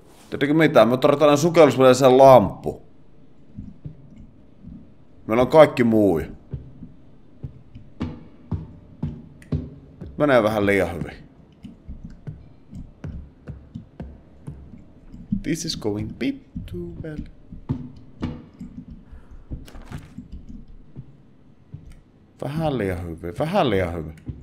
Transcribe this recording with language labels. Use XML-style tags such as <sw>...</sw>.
<fi>Tiedätkö mitään? Me tarvitaan sukellusveneeseen lamppu. Meillä on kaikki muu. Menee vähän liian hyvin.</fi> <en>This is going bit too well.</en> <fi>Vähän liian hyvin, vähän liian hyvin.</fi>